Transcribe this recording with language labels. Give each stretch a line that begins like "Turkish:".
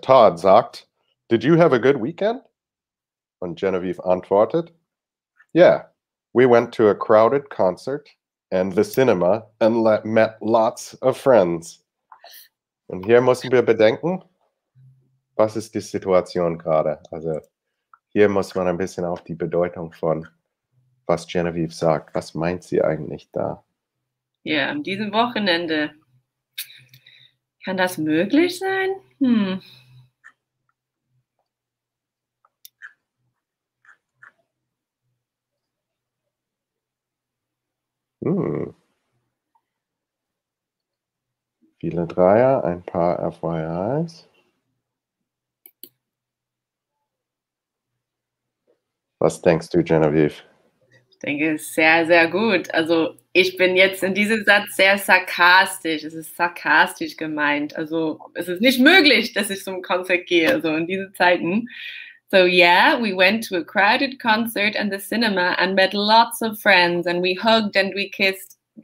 German: Todd sagt,
English: did you have a good weekend?
German: Und Genevieve antwortet,
English: yeah, we went to a crowded concert and the cinema and met lots of friends.
German: Und hier müssen wir bedenken, was ist die Situation gerade? Also hier muss man ein bisschen auf die Bedeutung von, was Genevieve sagt. Was meint sie eigentlich da? Ja, an diesem Wochenende. Kann das möglich sein? Viele Dreier, ein paar FYIs. Was denkst du, Genevieve? Ich denke, sehr, sehr gut. Also ich bin jetzt in diesem Satz sehr sarkastisch. Es ist sarkastisch gemeint. Also es ist nicht möglich, dass ich zum Konzert gehe, so in diesen Zeiten.
English: So yeah, we went to a crowded concert and the cinema and met lots of friends and we hugged and we kissed.